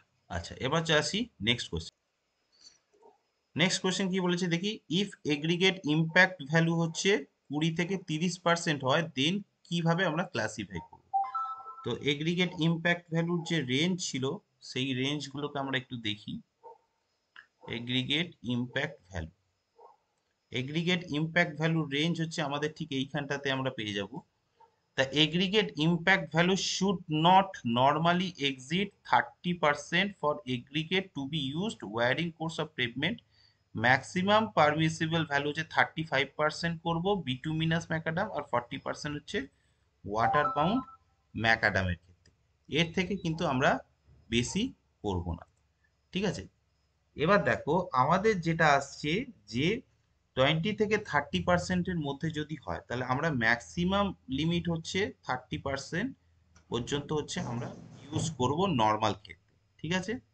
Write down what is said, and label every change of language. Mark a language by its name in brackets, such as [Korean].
[Bangla] আচ্ছা, এবার চলে আসি নেক্সট কোয়েশ্চেন। নেক্সট কোয়েশ্চেন কি বলেছে দেখি, ইফ এগ্রিগেট ইম্প্যাক্ট ভ্যালু হচ্ছে 20 থেকে 30% হয়, দেন কিভাবে আমরা ক্লাসিফাই করব। তো এগ্রিগেট ইম্প্যাক্ট ভ্যালুর যে রেঞ্জ ছিল সেই রেঞ্জগুলোকে আমরা একটু দেখি, aggregate impact value, aggregate impact ভ্যালুর রেঞ্জ হচ্ছে আমাদের ঠিক এইখানটাতে আমরা পেয়ে যাব। [English] The aggregate impact value should not normally exceed 30% for aggregate to be used varying course of pavement. Maximum permissible value হচ্ছে 35% করব bituminous macadam আর 40% হচ্ছে water bound macadam এর ক্ষেত্রে। [Bangla] এর থেকে কিন্তু আমরা বেশি করব না, ঠিক আছে? এবার দেখো আমাদের যেটা আসছে যে 20 থেকে 30% এর মধ্যে যদি হয় তাহলে আমরা ম্যাক্সিমাম লিমিট হচ্ছে 30% পর্যন্ত হচ্ছে আমরা ইউজ করব নর্মাল ক্ষেত্রে, ঠিক আছে?